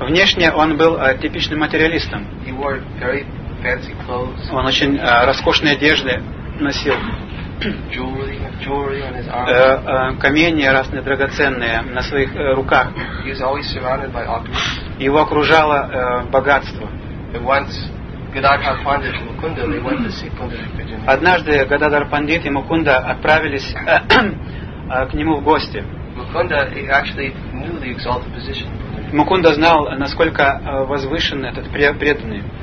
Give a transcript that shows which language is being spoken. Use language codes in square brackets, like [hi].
[ru] Внешне он был типичным материалистом. [en] He wore very fancy clothes. [ru] Он очень роскошные одежды носил. [en] Jewelry on his arm. [ru] Камни разные драгоценные на своих руках. [en] He is always surrounded by opulence. [ru] Его окружало богатство. [en] And once Gadadhar Pandit and Mukunda, they went to see Pundarika Vidyaniti. [ru] Однажды Гададхар Пандит и Мукунда отправились к нему в гости. [en] Mukunda actually knew the exalted position. [ru] Мукунда знал, насколько возвышен этот преданный.